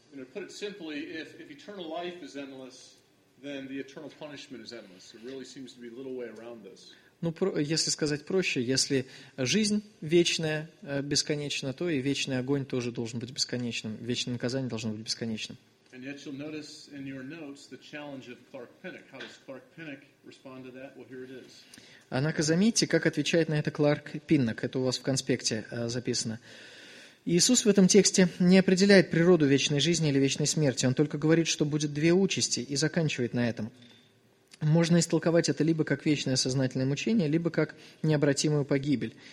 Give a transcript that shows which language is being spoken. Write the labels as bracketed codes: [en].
[ru] Если сказать проще, если жизнь вечная, бесконечна, то и вечный огонь тоже должен быть бесконечным, вечное наказание должно быть бесконечным. [en] And yet you'll notice in your notes the challenge of Clark Pinnock. How does Clark Pinnock respond to that? Well, here it is. [ru] Однако заметьте, как отвечает на это Кларк Пиннок. Это у вас в конспекте записано. Иисус в этом тексте не определяет природу вечной жизни или вечной смерти. Он только говорит, что будет две участи, и заканчивает на этом. Можно истолковать это либо как вечное сознательное мучение, либо как необратимую погибель.